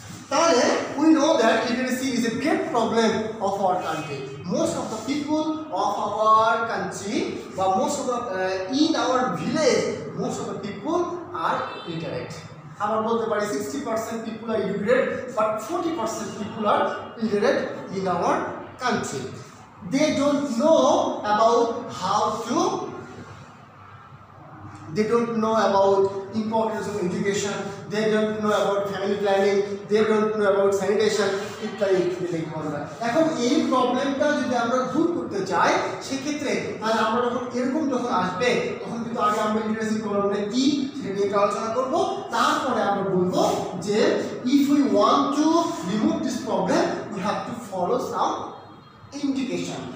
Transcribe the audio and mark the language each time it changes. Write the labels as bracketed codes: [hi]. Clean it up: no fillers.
[en] তাহলে we know that literacy is a great problem of our country, most of the people of our country বা most of the in our village most of the people are literate. [bn] আমার বলতে পারি [en] 60% people are illiterate, but 40% people are literate in our country. They don't know about how to, they don't know about importance of education, they don't know about family planning, they don't know about sanitation, [bn] ইত্যাদি ইত্যাদি ধরনের। এখন এই প্রবলেমটা যদি আমরা দূর করতে চাই সেক্ষেত্রে তাহলে আমরা যখন এরকম যখন আসবে তখন কিন্তু আগে আমরা লিটারেসি প্রবলেমটা কি সেটা নিয়ে আলোচনা করবো, তারপরে আমরা বলবো যে [en] If you want to remove this problem you have to follow some indication.